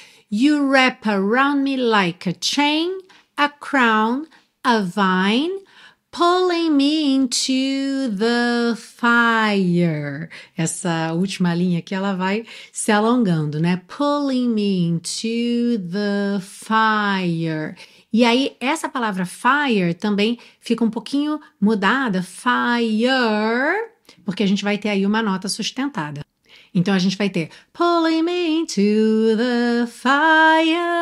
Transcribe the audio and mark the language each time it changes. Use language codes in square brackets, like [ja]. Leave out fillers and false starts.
[en] You wrap around me like a chain, a crown, a vine, pulling me into the fire. [pt] Essa última linha aqui, ela vai se alongando, né? [en] Pulling me into the fire. [pt] E aí, essa palavra fire também fica um pouquinho mudada. Fire, porque a gente vai ter aí uma nota sustentada. Então, a gente vai ter [en] pulling me into the fire.